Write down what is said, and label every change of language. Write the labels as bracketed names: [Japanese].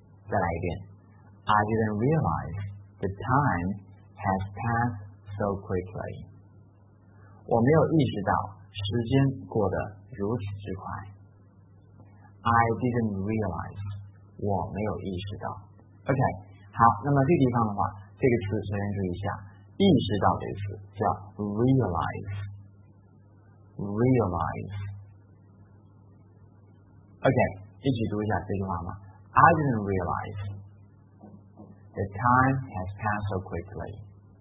[Chinese] 再来一遍， [English] I didn't realize the time has passed so quickly. [Chinese] 我没有意识到时间过得如此之快。 [English] I didn't realize， [Chinese] 我没有意识到。OK， 好，那么这个地方的话，这个词首先注意一下，意识到的意思叫 realize， realize。 OK， 一起读一下这句话吗？ [English] I didn't realize the time has passed so quickly。